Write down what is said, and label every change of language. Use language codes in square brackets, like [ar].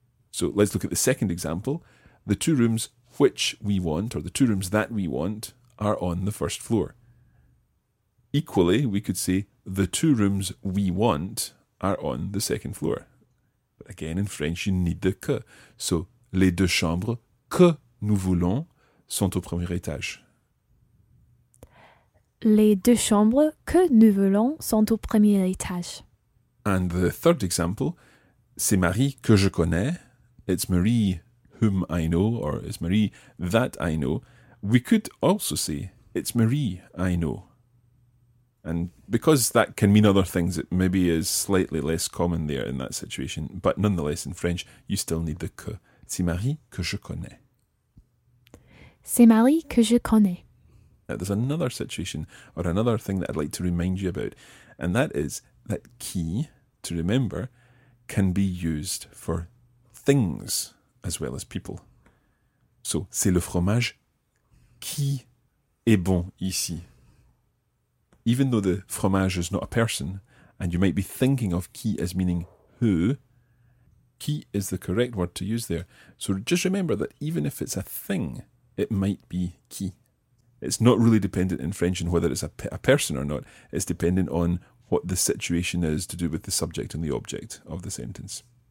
[en] So let's look at the second example. The two rooms which we want, or the two rooms that we want, are on the first floor. Equally, we could say the two rooms we want are on the second floor. But again, in French, you need the que. [fr] So les deux chambres que nous voulons sont au premier étage. Les deux chambres que nous voulons sont au premier étage. [en] And the third example, [fr] c'est Marie que je connais. [en] It's Marie whom I know, or it's Marie that I know. We could also say, it's Marie I know. And because that can mean other things, it maybe is slightly less common there in that situation. But nonetheless, in French, you still need the que. [fr] C'est Marie que je connais. C'est Marie que je connais. [en] Now, there's another situation or another thing that I'd like to remind you about, and that is that qui, to remember, can be used for things as well as people. [fr] So, c'est le fromage qui est bon ici. [en] Even though the fromage is not a person, and you might be thinking of qui as meaning who, qui is the correct word to use there. So just remember that even if it's a thing, it might be qui. It's not really dependent in French on whether it's a person or not. It's dependent on what the situation is to do with the subject and the object of the sentence.